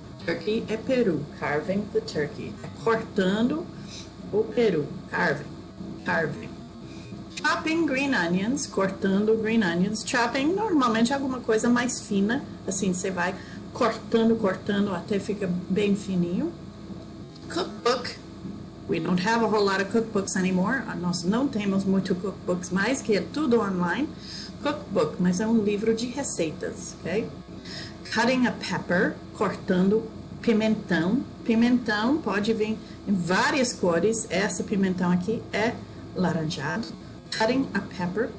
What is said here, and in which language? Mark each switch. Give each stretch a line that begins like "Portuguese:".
Portuguese: Turkey é peru.
English: Carving the turkey.
Portuguese: É cortando o peru. Carving. Carving.
English: Chopping green onions.
Portuguese: Cortando green onions. Chopping, normalmente, alguma coisa mais fina. Assim, você vai cortando, cortando até fica bem fininho.
English: Cookbook. We don't have a whole lot of cookbooks anymore.
Portuguese: Nós não temos muito cookbooks mais, que é tudo online. Cookbook, mas é um livro de receitas, ok?
English: Cutting a pepper.
Portuguese: Cortando pimentão. Pimentão pode vir em várias cores. Essa pimentão aqui é laranjado.
English: Cutting a pepper.